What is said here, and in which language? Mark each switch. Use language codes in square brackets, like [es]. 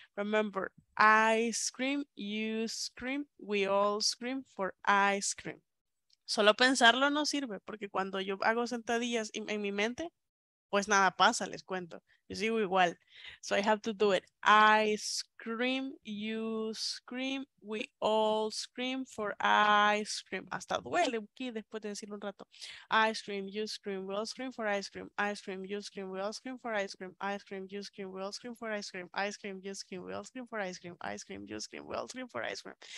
[en] Remember, I scream, you scream, we all scream for ice cream. [es] Solo pensarlo no sirve, porque cuando yo hago sentadillas en mi mente, pues nada pasa, les cuento. Yo sigo igual. [en] So I have to do it. I scream, you scream, we all scream for ice cream. [es] Hasta duele aquí después de decirlo un rato. [en] I scream, you scream, we all scream for ice cream. I scream, you scream, we all scream for ice cream. I scream, you scream, we all scream for ice cream. I scream, you scream, we all scream for ice cream. I scream, you scream, we all scream for ice cream.